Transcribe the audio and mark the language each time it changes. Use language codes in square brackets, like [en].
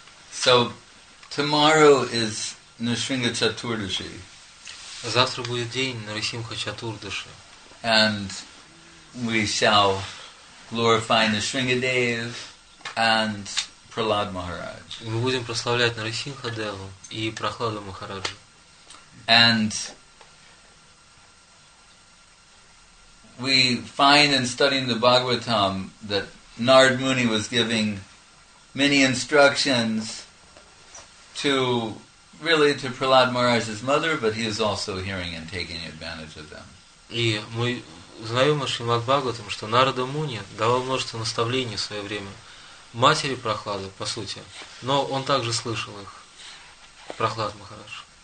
[en] So, tomorrow is Nrisimha Chaturdashi. [ru] Завтра будет день Нарисимха Чатурдаши. [en] And we shall glorify Нрисингхадев and Prahlad Maharaj. [ru] Мы будем прославлять Нрисингхадеву и Прахлада Махараджу. [en] And we find in studying the Bhagavatam that Narad Muni was giving many instructions to really to Prahlad Maharaj's mother, but he is also hearing and taking advantage of them. [ru] И мы знаем о Шримад Бхагаватам, что Нарада Муни давал множество наставлений в свое время матери Прохлады, по сути, но он также слышал их, Прохлад Махарадж.